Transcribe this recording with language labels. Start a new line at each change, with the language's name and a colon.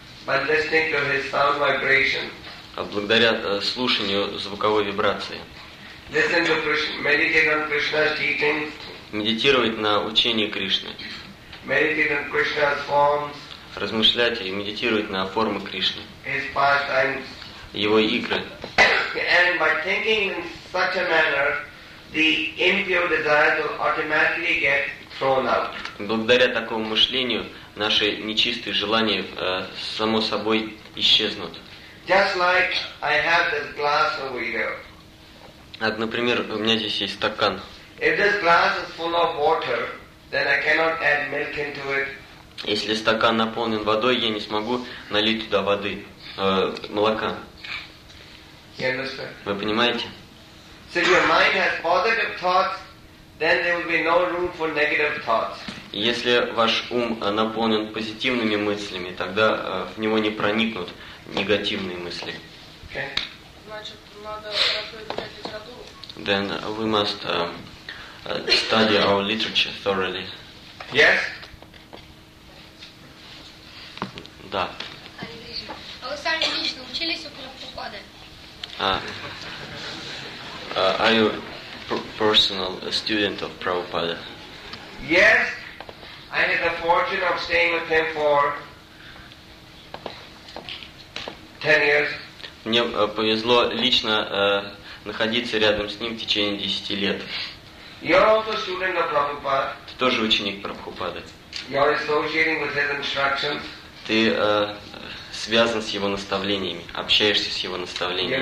English: By listening to his sound vibration.
Russian: Благодаря слушанию звуковой вибрации.
English: Listen to Krishna, meditate on Krishna's teachings.
Russian: Медитировать на учении Кришны.
English: Meditate on Krishna's forms.
Russian: Размышлять и медитировать на формы Кришны.
English: His pastimes.
Russian: Его игры.
English: And by thinking in such a manner, the impure desires will automatically get thrown out.
Russian: Благодаря такому мышлению наши нечистые желания само собой исчезнут.
English: Just like I have this glass over here.
Russian: Так, например, у меня здесь есть стакан.
English: If this glass is full of water, then I cannot add milk into it.
Russian: Если стакан наполнен водой, я не смогу налить туда воды, молока.
English: Yes,
Russian: вы понимаете?
English: So if your mind has positive thoughts, then there will be no room for negative thoughts.
Russian: Если ваш ум наполнен позитивными мыслями, тогда в него не проникнут негативные мысли. Значит, надо хорошо изучать литературу.
English: Then we must study our literature thoroughly. Yes?
Russian: Да. А вы сами лично учились у Прабхупады?
English: Are you personal student of Prabhupada? Yes. I had the fortune of staying with him for 10 years.
Russian: Мне повезло лично находиться рядом с ним в течение 10 лет.
English: You're also a student of Prabhupada.
Russian: Ты тоже ученик Прабхупады.
English: You're associating with his instructions.
Russian: Ты связан с его наставлениями, общаешься с его наставлениями.